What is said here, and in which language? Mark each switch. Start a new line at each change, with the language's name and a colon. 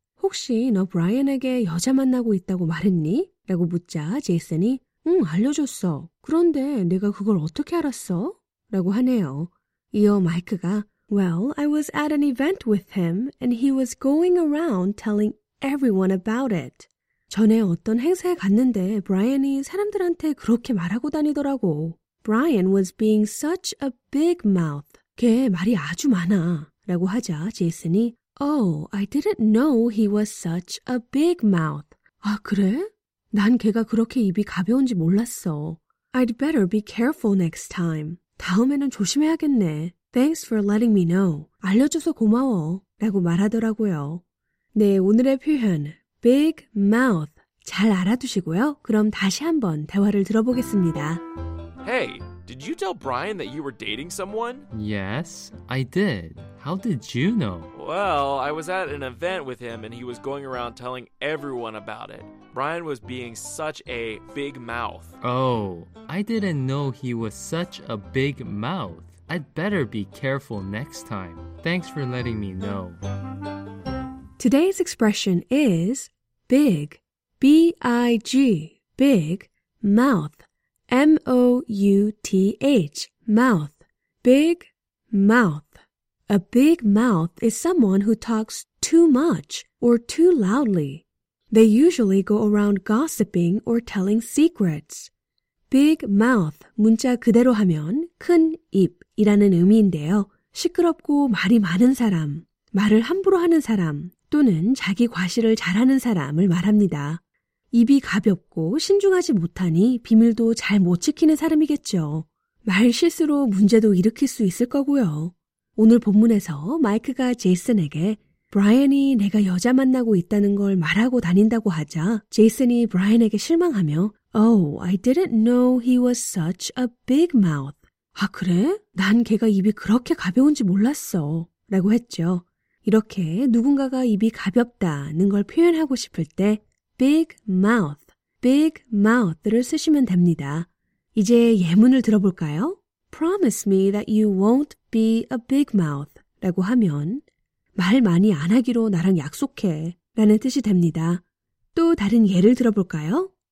Korean: 혹시 너 브라이언에게 여자 만나고 있다고 말했니? 라고 묻자 제이슨이 응, 알려줬어. 그런데 내가 그걸 어떻게 알았어? 라고 하네요. 이어 마이크가
English: Well, I was at an event with him and he was going around telling everyone about it.
Korean: 전에 어떤 행사에 갔는데 브라이언이 사람들한테 그렇게 말하고 다니더라고.
English: Brian was being such a big mouth.
Korean: 걔 말이 아주 많아. 라고 하자 제이슨이
English: Oh, I didn't know he was such a big mouth.
Korean: 아, 그래? 난 걔가 그렇게 입이 가벼운지 몰랐어.
English: I'd better be careful next time.
Korean: 다음에는 조심해야겠네.
English: Thanks for letting me know.
Korean: 알려줘서 고마워. 라고 말하더라고요. 네, 오늘의 표현, big mouth. 잘 알아두시고요. 그럼 다시 한번 대화를 들어보겠습니다.
English: Hey, did you tell Brian that you were dating someone? Yes, I did. How did you know? Well, I was at an event with him and he was going around telling everyone about it. Brian was being such a big mouth. Oh, I didn't know he was such a big mouth. I'd better be careful next time. Thanks for letting me know. Today's expression is big. B-I-G. Big. Mouth. M-O-U-T-H. Mouth. Big mouth. A big mouth is someone who talks too much or too loudly. They usually go around gossiping or telling secrets.
Korean: Big mouth, 문자 그대로 하면 큰 입이라는 의미인데요. 시끄럽고 말이 많은 사람, 말을 함부로 하는 사람 또는 자기 과시를 잘하는 사람을 말합니다. 입이 가볍고 신중하지 못하니 비밀도 잘 못 지키는 사람이겠죠. 말 실수로 문제도 일으킬 수 있을 거고요. 오늘 본문에서 마이크가 제이슨에게 브라이언이 내가 여자 만나고 있다는 걸 말하고 다닌다고 하자 제이슨이 브라이언에게 실망하며
English: Oh, I didn't know he was such a big mouth.
Korean: 아, 그래? 난 걔가 입이 그렇게 가벼운지 몰랐어. 라고 했죠. 이렇게 누군가가 입이 가볍다는 걸 표현하고 싶을 때 big mouth, big mouth를 쓰시면 됩니다. 이제 예문을 들어볼까요?
English: Promise me that you won't be a big mouth.
Korean: 라고 하면 말 많이 안 하기로 나랑 약속해 라는 뜻이 됩니다. 또 다른 예를 들어볼까요?